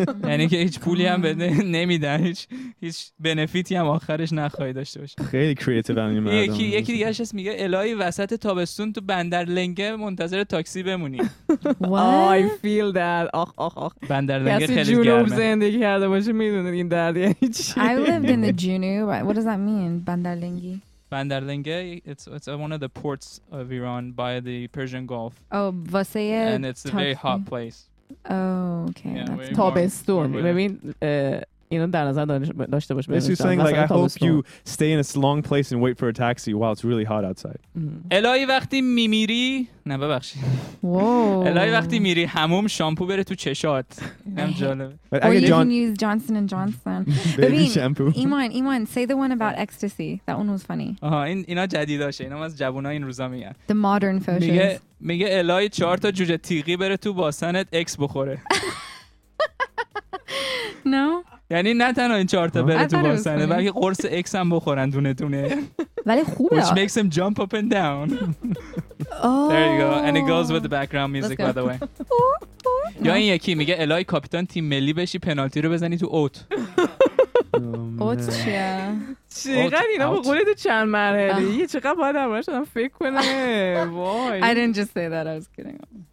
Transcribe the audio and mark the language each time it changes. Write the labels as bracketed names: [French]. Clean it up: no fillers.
[Persian] یعنی که هیچ پولی هم بده نمیدن، هیچ بنفیتی هم آخرش نخواهی داشته باشه. خیلی کریتیو این مردم. یکی دیگه اش میگه الهی وسط تابستون تو بندر لنگه منتظر تاکسی بمونی. [English] I feel that. آخ [Persian] بندر لنگه خیلی گرمه. کسی جنوب زندگی کرده باشه میدونه این درد یعنی چی. [English] I lived in the junub. What does that mean? بندر لنگی. Bandarlinge, it's one of the ports of Iran by the Persian Gulf. Oh, Vaseye. And it's a very hot place. Oh, okay. [Persian] Tabestun. [English] I mean, [Persian] اینو در نظر داشته باش. [English] This is saying like I hope you stay in a long place and wait for a taxi while it's really hot outside. [Persian] الهی وقتی میمیری نه ببخشید. الهی وقتی میری حموم شامپو بره تو چشات. اینم جالبه. [English] Or you can use Johnson and Johnson. Baby shampoo. Iman, say the one about ecstasy. That one was funny. [Persian] آها این اینا جدیداشه. اینا از جوونا این روزا میگن. [English] The modern fashion. [Persian] میگه الهی 4 تا جوجه تیغی بره تو باسنت اکس بخوره. [English] No. [Persian] یعنی نه تنها این چهار تا بره تو باسنه بلکه قرص اکس هم بخورن دونه دونه. ولی خوبه. [English] Which makes him jump up and down. There you go. And it goes with the background music, by the way. [Persian] یا این یکی میگه الهی کاپیتان تیم ملی بشی پنالتی رو بزنی تو اوت. اوت چیه؟ چقدر اینا بقوله تو چند مرحله. یه چقدر باید همه شدم فکر کنه. [English] I didn't just say that. I was kidding.